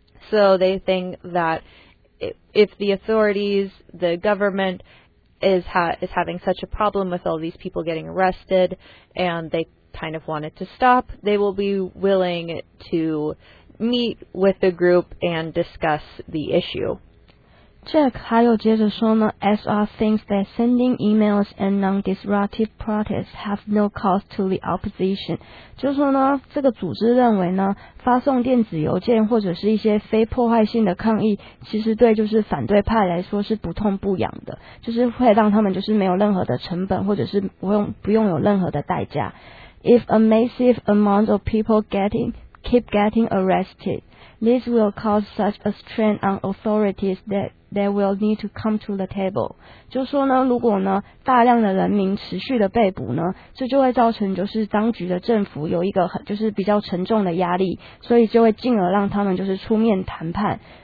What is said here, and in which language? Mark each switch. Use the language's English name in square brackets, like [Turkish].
[English] So they think that if the authorities, the government, is having such a problem with all these people getting arrested and they kind of want it to stop, they will be willing to meet with the group and discuss the issue. Jack [Chinese] 还有接着说呢, [English] SR thinks that sending emails and non-disruptive protests have no cost to the opposition. [Chinese] 就是说呢, 这个组织认为呢, 发送电子邮件或者是一些非破坏性的抗议, 其实对就是反对派来说是不痛不痒的, 就是会让他们就是没有任何的成本或者是不用有任何的代价。 [English] If a massive amount of people keep getting arrested, this will cause such a strain on authorities that they will need to come to the table. [Chinese] 就说呢, 如果呢, 大量的人民持续的被捕呢, 这就会造成就是当局的政府有一个很就是比较沉重的压力, 所以就会进而让他们就是出面谈判。